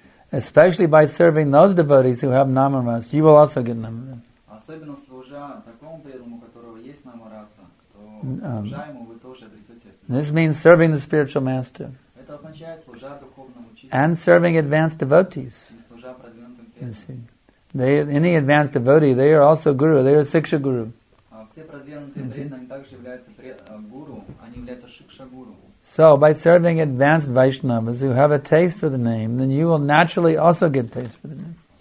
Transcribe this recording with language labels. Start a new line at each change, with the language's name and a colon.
English: Especially by serving those devotees who have namaras, you will also get namaras.
Russian: Особенно служа такому преданному, у которого есть намараса, то служа ему вы тоже обретете.
English: This means serving the spiritual master.
Russian: Это означает служа духовному учителю.
English: And serving advanced devotees.
Russian: И служа продвинутым преданным.
English: They, any advanced devotee, they are also guru. They are siksha guru.
Russian: Все продвинутые преданные также являются гуру. Они являются шикша гуру.
English: So, by serving advanced Vaishnavas who have a taste for the name, then you will naturally also get taste for the name.